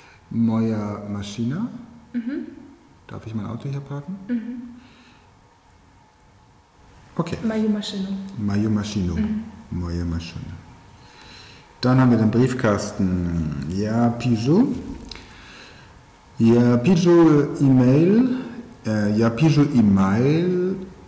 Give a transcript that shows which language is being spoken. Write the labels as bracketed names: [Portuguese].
[Russian] Моя машина? Mhm. [German] Darf ich mein Auto hier parken? Mhm. Okay. [Russian] Мою машину. Мою машину. Моя машина. [German] Dann haben wir den Briefkasten. [Russian] Я пишу. Я пишу E-Mail. Я пишу E-Mail.